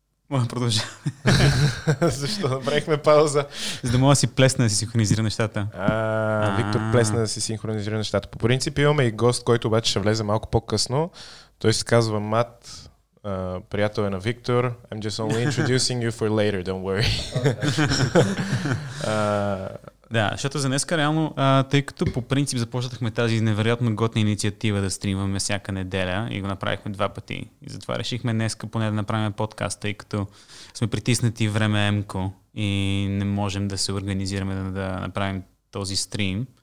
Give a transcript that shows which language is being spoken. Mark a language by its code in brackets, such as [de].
[bg] Може да продължаваме. Защо? Направихме пауза. За да мога да си плесна да си синхронизира нещата. Виктор плесна да си синхронизира нещата. По принцип имаме и гост, който обаче ще влезе малко по-късно. Той се казва Мат, приятел е на Виктор. [en] I'm just only introducing you for later, don't worry. [bg] Да, защото за днеска реално, тъй като по принцип започнахме тази невероятно готна инициатива да стримваме всяка неделя и го направихме два пъти. И затова решихме днеска поне да направим подкаст, тъй като сме притиснати време емко и не можем да се организираме да направим този стрим.